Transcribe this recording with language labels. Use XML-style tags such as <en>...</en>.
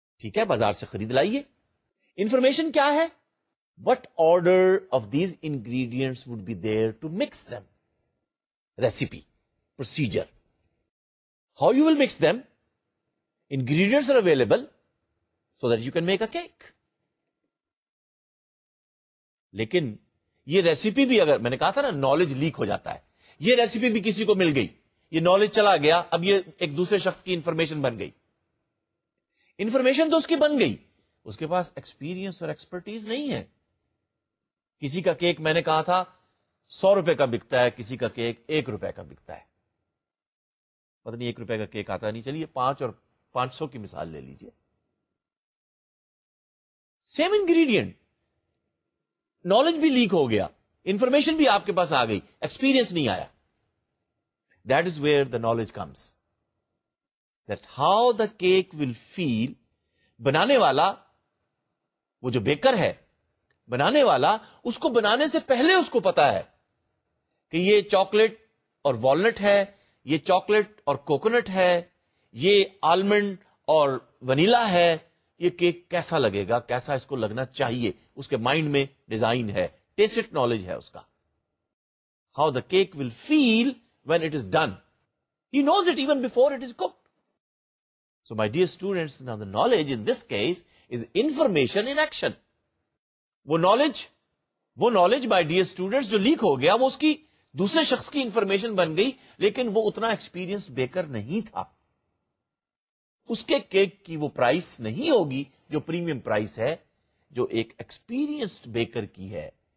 <ur>Theek hai, bazaar se khareed laiye. Information kya hai?</ur> <en>What order of these ingredients would be there to mix them? Recipe. Procedure. How you will mix them? Ingredients are available. so that you can make a cake.</en> <ur>لیکن یہ recipe بھی اگر میں نے کہا تھا نا knowledge leak ہو جاتا ہے, یہ ریسیپی بھی کسی کو مل گئی, یہ نالج چلا گیا, اب یہ ایک دوسرے شخص کی انفارمیشن بن گئی. انفارمیشن تو اس کی بن گئی, اس کے پاس ایکسپیرینس اور ایکسپرٹیز نہیں ہے. کسی کا کیک میں نے کہا تھا 100 روپے کا بکتا ہے, کسی کا کیک 1 روپے کا بکتا ہے. پتہ نہیں 1 روپے کا کیک آتا نہیں, چلیے 500 کی مثال لے لیجئے.</ur> <en>same ingredient,</en> <ur>نالج بھی لیک ہو گیا, انفارمیشن بھی آپ کے پاس آ گئی, ایکسپیرینس نہیں آیا.</ur> <en>That is where the knowledge comes, that how the cake will fail.</en> <ur>بنانے والا وہ جو بیکر ہے, بنانے والا اس کو بنانے سے پہلے اس کو پتا ہے کہ یہ چاکلیٹ اور والنٹ ہے, یہ چاکلیٹ اور کوکونٹ ہے, یہ آلمنڈ اور ونیلا ہے, یہ کیک کیسا لگے گا, کیسا اس کو لگنا چاہیے, اس کے مائنڈ میں ڈیزائن ہے, ٹیسٹ نالج ہے اس کا.</ur> <en>How the cake will fail when it is done, he knows it even before it is cook. So my dear students, now the knowledge in this case is information in action.</en> <ur>وہ knowledge</ur> <en>my dear students</en> <ur>جو leak ہو گیا وہ اس کی دوسرے شخص کی information بن گئی, لیکن وہ اتنا experienced baker نہیں تھا, اس کے cake کی وہ price نہیں ہوگی جو premium price ہے جو ایک experienced baker کی ہے.</ur>